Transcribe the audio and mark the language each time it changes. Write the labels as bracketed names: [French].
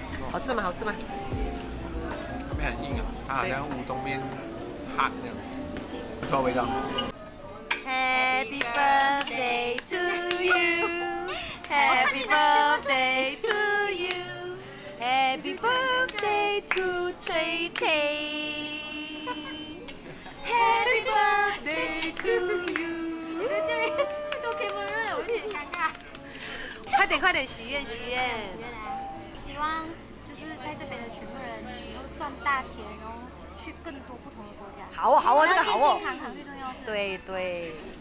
[Chinese] 好吃吗？好吃吗？面很硬啊，它好像乌冬面， [English] hot [Chinese] 那样，不错味道。 [English] Happy birthday to you, Happy birthday to you, Happy birthday to Tracy, Happy birthday to you。 [Chinese] 你们这边都开门了，我有点尴尬。快点快点，许愿许愿。希望。在这边的全部人能够赚大钱，然后去更多不同的国家。好啊，好啊，这个好啊。健康最重要是。对对。